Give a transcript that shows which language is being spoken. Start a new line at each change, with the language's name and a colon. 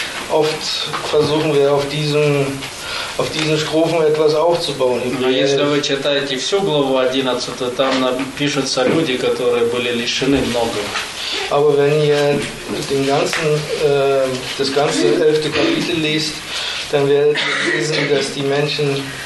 German: Oft versuchen wir auf diesen Strophen etwas aufzubauen.
Russian: Но если вы читаете всю главу 11, там пишутся люди, которые были лишены многого.
German: Aber wenn ihr den ganzen, das ganze 11. Kapitel liest, dann werdet ihr wissen, dass die Menschen